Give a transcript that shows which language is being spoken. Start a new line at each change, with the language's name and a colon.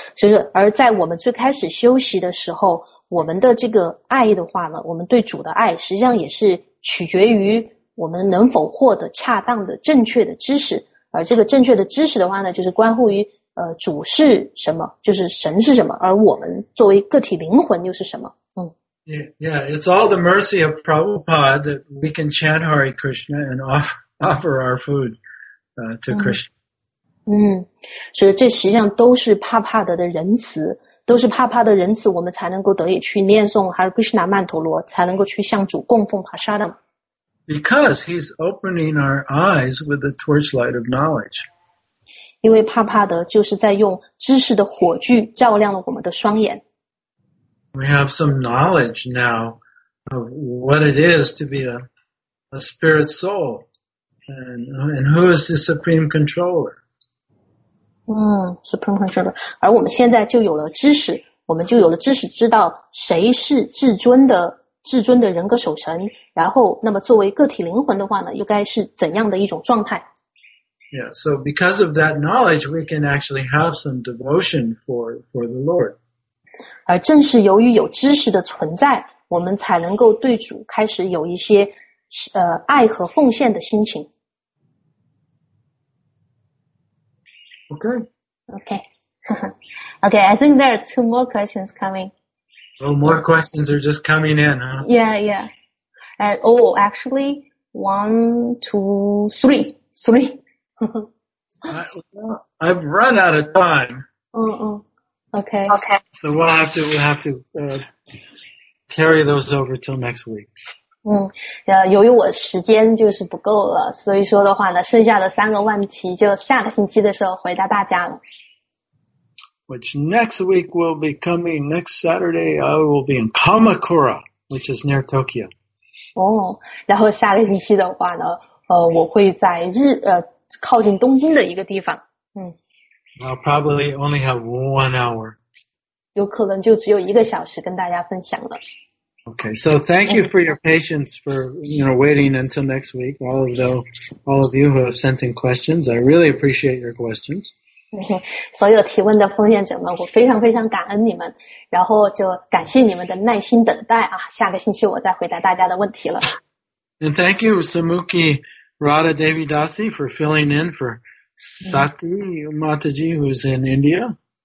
Chinese: 所以说，而在我们最开始修习的时候，我们的这个爱的话呢，我们对主的爱实际上也是取决于我们能否获得恰当的正确的知识，而这个正确的知识的话呢，就是关乎于主是什么，就是神是什么，而我们作为个体灵魂又是什么。
English: It's all the mercy of Prabhupada that we can chant Hare Krishna and offer our food to Krishna.
Chinese: 所以这实际上都是帕帕德的仁慈，都是帕帕的仁慈，我们才能够得以去念诵 Hare Krishna 曼陀罗，才能够去向主供奉 prasadam。
English: Because he's opening our eyes with the torchlight of knowledge.
Chinese: 因为帕帕德就是在用知识的火炬照亮了我们的双眼。
English: We have some knowledge now of what it is to be a spirit soul. And who is the Supreme Controller? Supreme Controller.
Chinese: 而我们现在就有了知识，我们就有了知识，知道谁是至尊的人格守神，然后那么作为个体灵魂的话呢，又该是怎样的一种状态？
English: Yeah, so because of that knowledge, we can actually have some devotion for the Lord.
Chinese: 而正是由于有知识的存在，我们才能够对主开始有一些爱和奉献的心情。
English: Okay. I think there are two more questions coming. Oh, more questions are just coming in, huh? Yeah. And, oh, actually, one, two, three. Three. I've run out of time. Okay. So we'll have to carry those over till next week.
Chinese: 由于我时间就是不够了，所以说的话呢，剩下的三个问题就下个星期的时候回答大家了。
English: Which next week will be coming next Saturday. I will be in Kamakura, which is near Tokyo.
Chinese: 然后下个星期的话呢，我会在靠近东京的一个地方。
English: I'll probably only have 1 hour.
Chinese: 有可能就只有一个小时跟大家分享了。
English: Okay, so thank you for your patience for, you know, waiting until next week. All of you who have sent in questions, I really appreciate your questions.
Chinese: 所有提问的奉献者们，我非常非常感恩你们，然后就感谢你们的耐心等待啊，下个星期我再回答大家的问题了。
English: And thank you, Samuki. Radha Devi Dasi for filling in for Sati Mataji who's in India.